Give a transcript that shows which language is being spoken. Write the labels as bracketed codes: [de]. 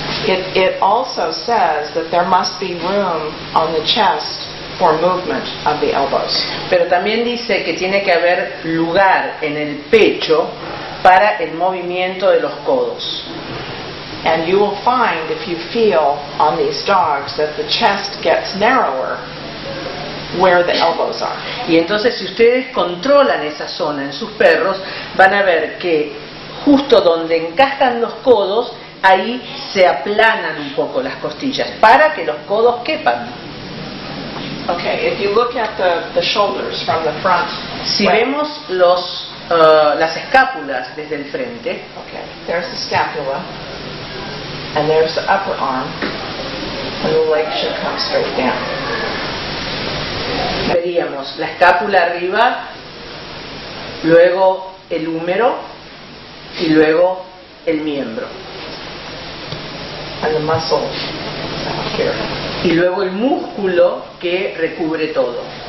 [en] It also says that there must be room on the chest for movement of the elbows. [es] Pero también dice que tiene que haber lugar en el pecho para el movimiento de los codos. [en] And you will find if you feel on these dogs that the chest gets narrower where the elbows are. [es] Y entonces si ustedes controlan esa zona en sus perros, van a ver que justo donde encajan los codos, ahí se aplanan un poco las costillas para que los codos quepan. [en] Okay, if you look at the shoulders from the front. [es] Si vemos las escápulas desde el frente. [en] Okay, there's the scapula and there's the upper arm and the leg should come straight down. [es] Veríamos la escápula arriba, luego el húmero y luego el miembro. [en] And the muscle up here. [es] Y luego el músculo que recubre todo.